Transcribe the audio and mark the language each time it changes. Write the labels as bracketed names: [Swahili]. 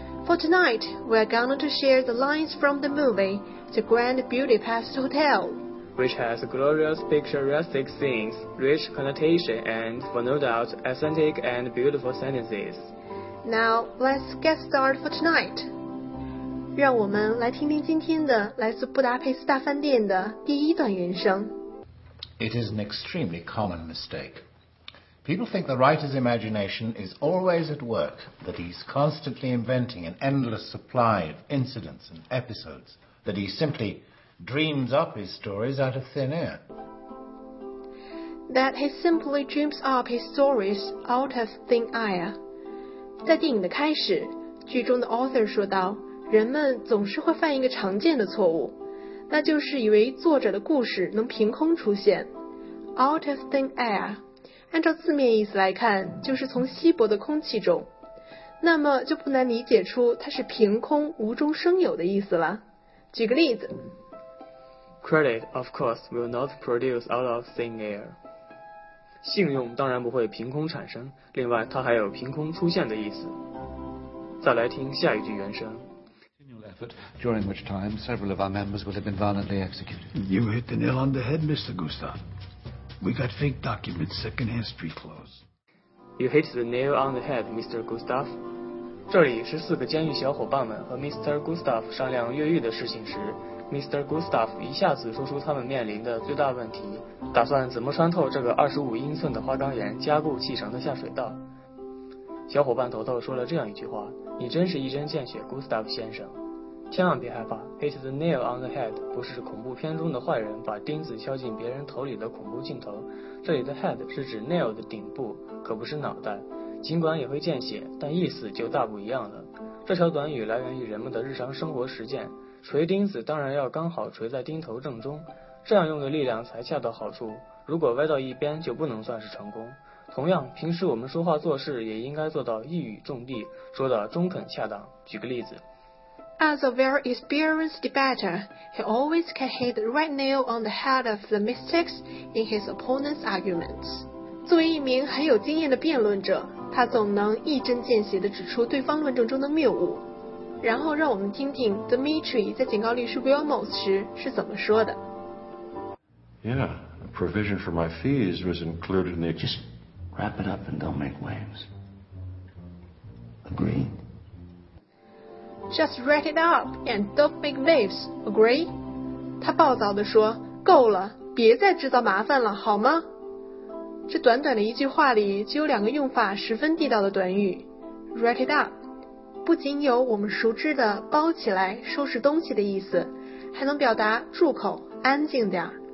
[English] For tonight, we're going to share the lines from the movie, The Grand Budapest Hotel, which has glorious picturesque scenes, rich connotation, and, for no doubt, authentic and beautiful sentences. Now, let's get started for tonight. [Chinese] 让我们来听听今天的来自布达佩斯大饭店的第一段原声。 [English] It is an extremely common mistake. People think the writer's imagination is always at work, that he's constantly inventing an endless supply of incidents and episodes, that he simply dreams up his stories out of thin air. That he simply dreams up his stories out of thin air. [Chinese] 在电影的开始，剧中的 author 说道，人们总是会犯一个常见的错误，那就是以为作者的故事能凭空出现。 [English] Out of thin air [Chinese] 按照字面意思来看，就是从稀薄的空气中，那么就不难理解出它是凭空无中生有的意思了。举个例子， [English] Credit of course will not produce out of thin air， [Chinese] 信用当然不会凭空产生，另外它还有凭空出现的意思。再来听下一句原声。 [English] Effort, during which time several of our members will have been violently executed. You hit the nail on the head, Mr. Gustav. We got fake documents, second-hand street clothes. You hit the nail on the head, Mr. Gustav. [Chinese] 这里是四个监狱小伙伴们和 Mr. Gustav 商量越狱的事情时， Mr. Gustav 一下子说出他们面临的最大问题，打算怎么穿透这个25英寸的花岗岩加固砌成的下水道。小伙伴头头说了这样一句话，你真是一针见血， Gustav 先生。千万别害怕， [English] hit the nail on the head [Chinese] 不是恐怖片中的坏人把钉子敲进别人头里的恐怖镜头，这里的 head 是指 nail 的顶部，可不是脑袋，尽管也会见血，但意思就大不一样了。这条短语来源于人们的日常生活实践，锤钉子当然要刚好锤在钉头正中，这样用的力量才恰到好处，如果歪到一边就不能算是成功。同样，平时我们说话做事也应该做到一语中的，说的中肯恰当。举个例子， [English] As a very experienced debater, he always can hit the right nail on the head of the mistakes in his opponent's arguments. [Chinese] 作为一名很有经验的辩论者，他总能一针见血地指出对方论证中的谬误。然后让我们听听 Dmitry 在警告律师 Wilmot 时是怎么说的。 [English] Yeah, a provision for my fees was included in the... Just wrap it up and don't make waves. Agreed? Just wrap it up and don't make waves, agree? [Chinese] 他暴躁地说，够了，别再制造麻烦了，好吗？这短短的一句话里就有两个用法十分地道的短语。 [English] Wrap it up, [Chinese] 不仅有我们熟知的包起来、收拾东西的意思，还能表达住口、安静点。